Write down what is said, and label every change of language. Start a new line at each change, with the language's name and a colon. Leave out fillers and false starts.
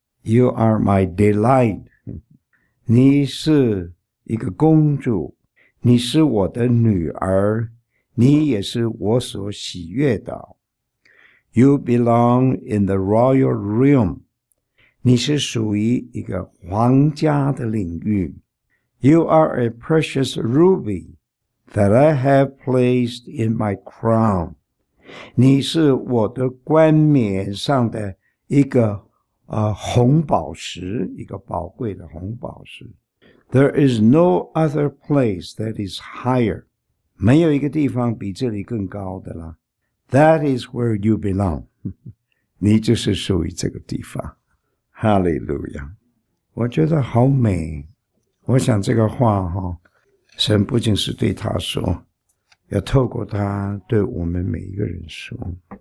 English: You are my delight.
Chinese: 你是一个公主，你是我的女儿，你也是我所喜悦的。
English: You belong in the royal realm.
Chinese: 你是属于一个皇家的领域。
English: You are a precious ruby that I have placed in my crown.
Chinese: 你是我的冠冕上的一个红宝石，一个宝贵的红宝石。
English: There is no other place that is higher.
Chinese: 没有一个地方比这里更高的啦。
English: That is where you belong.
Chinese: 你就是属于这个地方。
English: Hallelujah.
Chinese: 我觉得好美。我想这个话哈，神不仅是对他说，要透过他对我们每一个人说。